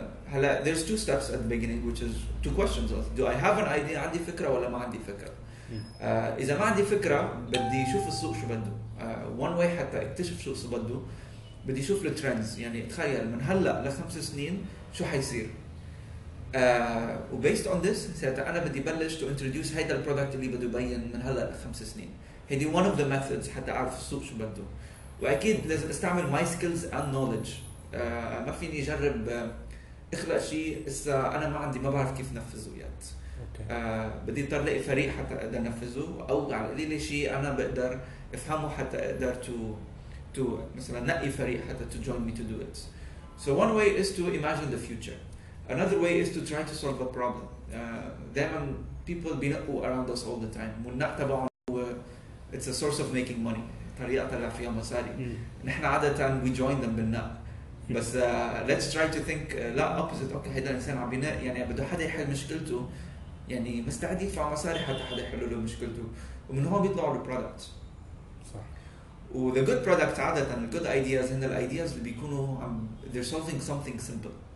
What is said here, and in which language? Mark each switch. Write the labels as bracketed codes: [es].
[en] There's two steps at the beginning, which is two questions: Do I have an idea? [ar] عندي فكرة ولا ما عندي فكرة. إذا ما عندي فكرة بدي أشوف السوق شو بده. [en] One way [ar] حتى اكتشف شو السوق بده، بدي أشوف [en] the trends. [ar] يعني تخيل من هلا لخمس سنين شو حيصير. [en] Based on this، [ar] ساعتها أنا بدي بلش [en] to introduce [ar] هيدا البرودكت اللي بده يبين من هلا لخمس سنين. هيدي [en] one of the methods [ar] حتى أعرف السوق شو بده. وأكيد لازم استعمل [en] my skills and knowledge. [ar] ما فيني أجرب أخلق شيء إسا أنا ما عندي ما بعرف كيف نفذه يد. بدي أضطر لقي فريق حتى أقدر نفذه، أو على القليل شيء أنا بقدر أفهمه حتى أقدر to مثلا نقي فريق حتى [en] to join me to do it. So one way is to imagine the future. Another way is to try to solve a problem. [ar] دائما [en] people [ar] بينقوا [en] around us all the time. [ar] والنق تبعهم هو [en] it's a source of making money، [ar] طريقة طلع فيها مصاري. نحن عادة [en] we join them [ar] بالنق. بس [en] let's try to think [ar] لا [en] opposite. [ar] اوكي، هيدا الانسان عم بناء، يعني بده حدا يحل مشكلته، يعني مستعد يدفع مصاري حتى حدا يحل له مشكلته، ومن هون بيطلعوا البرودكت. صح. [en] The good product [ar] عادة [en] the good ideas [ar] هن الايدياز اللي بيكونوا [en] they're solving something simple.